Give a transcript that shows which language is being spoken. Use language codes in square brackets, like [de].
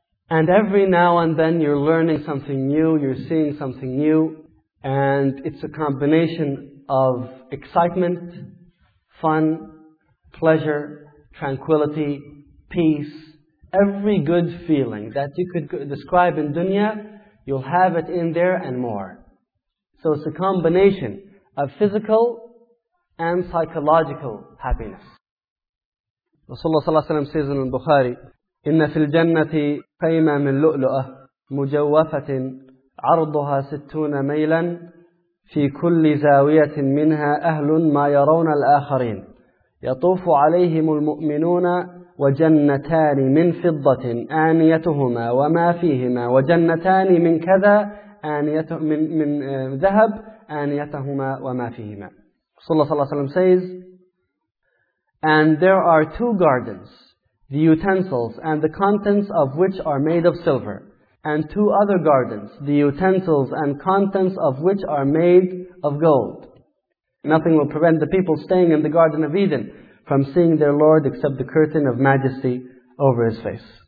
[en] And every now and then you're learning something new, you're seeing something new, and it's a combination of excitement, fun, pleasure, tranquility, peace, every good feeling that you could describe in dunya, you'll have it in there and more. So it's a combination of physical and psychological happiness. Rasulullah sallallahu alayhi wa sallam says in al-Bukhari, [ar] إِنَّ فِي الْجَنَّةِ قَيْمًا مِنْ لُؤْلُؤَةٍ مُجَوَّفَةٍ عَرْضُهَا 60 مَيْلًا فِي كُلِّ زَاوِيَةٍ مِنْهَا أَهْلٌ مَا يَرَوْنَ الْآخَرِينَ يَطُوفُ عَلَيْهِمُ الْمُؤْمِنُونَ وَجَنَّتَانِ مِنْ فِضَّةٍ آنِيَتُهُمَا وَمَا فِيهِمَا وَجَنَّتَانِ مِنْ كَذَا مِنْ ذَهَبٍ آنِيَتُهُمَا وَمَا فِيهِمَا. [en] Rasulullah sallallahu alayhi wa sallam says, and there are two gardens, the utensils and the contents of which are made of silver, and two other gardens, the utensils and contents of which are made of gold. Nothing will prevent the people staying in the Garden of Eden from seeing their Lord except the curtain of majesty over His face.